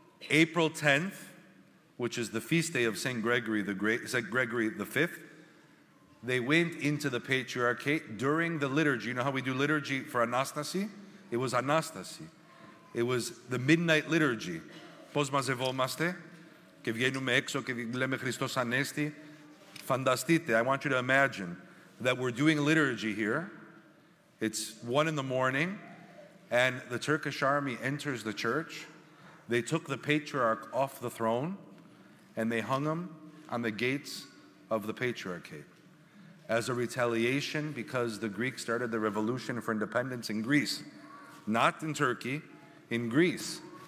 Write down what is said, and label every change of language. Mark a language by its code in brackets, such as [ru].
[en] April 10th, which is the feast day of St. Gregory the Great, St. Gregory the Fifth, they went into the Patriarchate during the liturgy. You know how we do liturgy for Anastasi? It was Anastasi. It was the midnight liturgy. [el] Πώς μαζευόμαστε και βγαίνουμε έξω και λέμε Χριστός Ανέστη. Φανταστείτε, [en] I want you to imagine that we're doing liturgy here. It's 1 a.m, and the Turkish army enters the church. They took the patriarch off the throne and they hung him on the gates of the patriarchate as a retaliation because the Greeks started the revolution for independence in Greece, not in Turkey, in Greece.